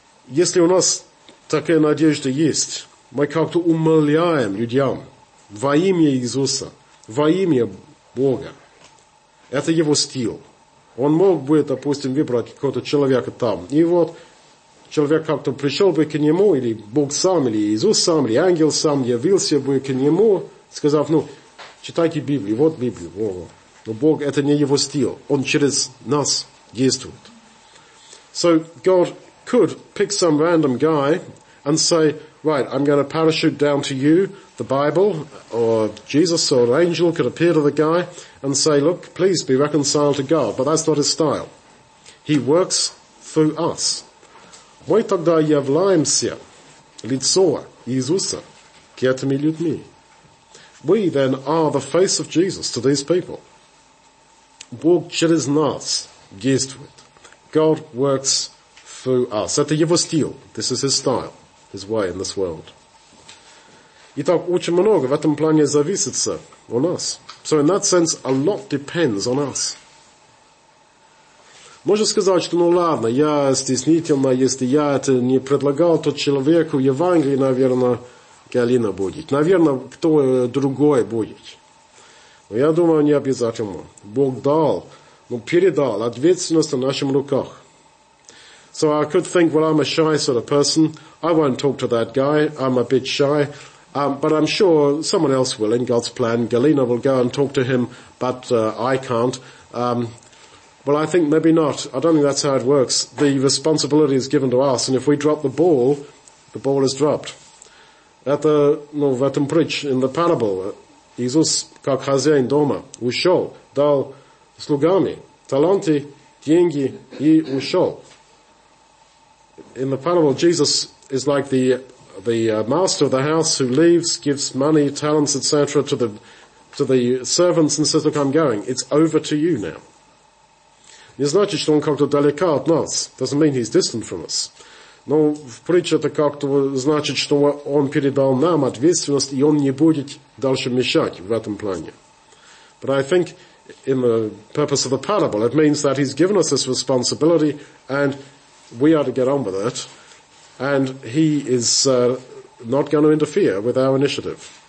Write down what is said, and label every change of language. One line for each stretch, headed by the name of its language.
Russian: Если у нас такая надежда есть, мы как-то умоляем людям во имя Иисуса, во имя Бога. Это его стиль. Он мог бы, допустим, выбрать какого-то человека там. И вот человек как-то пришел бы к нему, или Бог сам, или Иисус сам, или ангел сам явился бы к нему, сказав, ну, читайте Библию, вот Библию. Ого. Но Бог, это не его стиль. Он через нас действует.
English: So God could pick some random guy and say, right, I'm going to parachute down to you, the Bible, or Jesus, or an angel could appear to the guy and say, look, please be reconciled to God. But that's not his style. He works through us.
Russian: Мы тогда являемся лицо Иисуса к этим людьми.
English: We then are the face of Jesus to these people.
Russian: Бог через нас действует.
English: God works through us.
Russian: Это его стиль.
English: This is his style, his way in this world.
Russian: Итак, очень много в этом плане зависит у нас.
English: So in that sense, a lot depends on us.
Russian: Можно сказать, что ну ладно, я стеснительно, если я это не предлагал, то человеку Евангелие, наверное, Галина будет. Наверное, кто другой будет. Но я думаю, не обязательно. Бог дал, ну передал ответственность в наших руках.
English: So I could think, well, I'm a shy sort of person. I won't talk to that guy. I'm a bit shy. But I'm sure someone else will in God's plan. Galina will go and talk to him, but I can't. Well, I think maybe not. I don't think that's how it works. The responsibility is given to us, and if we drop the ball is dropped. In the parable,
Russian: Иисус, как хозяин дома, ушел, дал слугами таланты, деньги и ушел.
English: In the parable, Jesus is like the master of the house who leaves, gives money, talents, etc. to the servants and says, look, I'm going. It's over to you now.
Russian: Не значит, что он как-то далеко от нас.
English: Doesn't mean he's distant from us.
Russian: Но в притче это как-то значит, что он передал нам ответственность, и он не будет дальше мешать в этом плане.
English: But I think in the purpose of the parable, it means that he's given us this responsibility and we are to get on with it, and he is not going to interfere with our initiative.